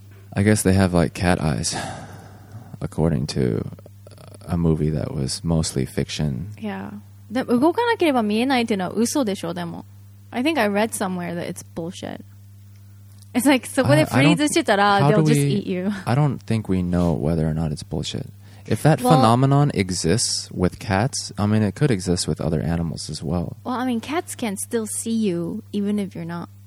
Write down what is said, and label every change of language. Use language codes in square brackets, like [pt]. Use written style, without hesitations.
[en] I guess they have like cat eyes, according to a movie that was mostly fiction. [ja] Yeah, でも動かなければ見えないっていうのは嘘でしょ。 [en] でも、I think I read somewhere that it's bullshit. It's like [ja] そこでフリーズしてたら [en] they'll just eat you. I don't think we know whether or not it's bullshit. If that phenomenon exists with cats, I mean it could exist with other animals as well. Well, I mean cats can still see you even if you're not.